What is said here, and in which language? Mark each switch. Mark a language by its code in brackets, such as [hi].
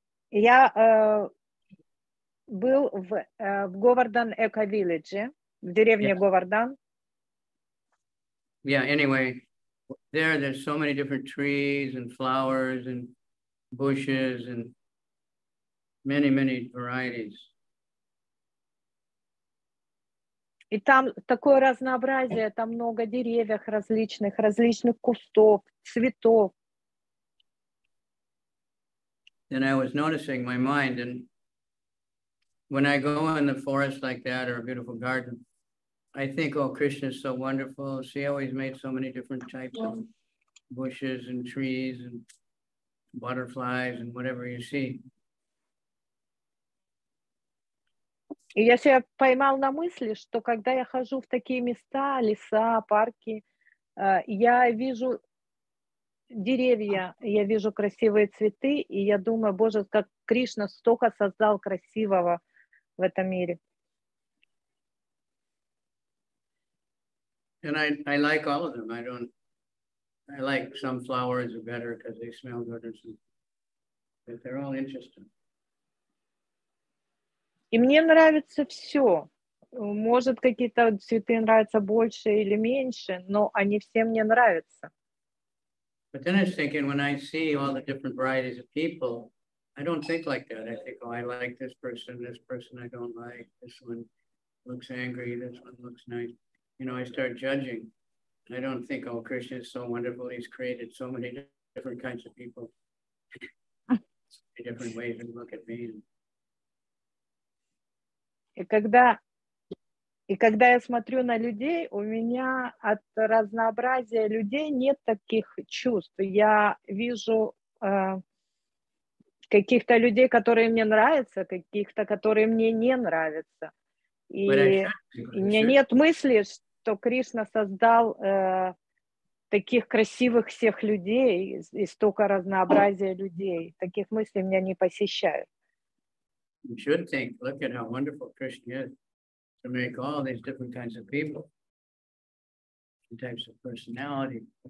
[ru] Я был в Говардан Эко Вилледже, в деревне Говардан. [en] Yeah, anyway, there's so many different trees and flowers and bushes and many, many varieties. [ru] И там такое разнообразие, там много деревьев различных, различных кустов, цветов. [en] And I was noticing my mind, and when I go in the forest like that or a beautiful garden, I think, oh, Krishna is so wonderful. See how he's made so many different types of bushes and trees and butterflies and whatever you see. [ru] И я себя поймал на мысли, что когда я хожу в такие места, леса, парки, я вижу деревья, я вижу красивые цветы, и я думаю, Боже, как Кришна столько создал красивого в этом мире. [en] And I like all of them. I like some flowers are better because they smell good or something. But they're all interesting. [ru] И мне нравится все. Может, какие-то цветы нравятся больше или меньше, но они все мне нравятся. [en] But then I was thinking, when I see all the different varieties of people, I don't think like that. I think, oh, I like this person I don't like, this one looks angry, this one looks nice. You know, I start judging. I don't think, oh, Krishna is so wonderful. He's created so many different kinds of people. So many different ways to look at me. [ru] И когда я смотрю на людей, у меня от разнообразия людей нет таких чувств. Я вижу каких-то людей, которые мне нравятся, каких-то, которые мне не нравятся. И у меня нет мысли, что Кришна создал таких красивых всех людей и столько разнообразия людей. Таких мыслей меня не посещают. [en] You should think, look at how wonderful Krishna is to make all these different kinds of people, different types of personality.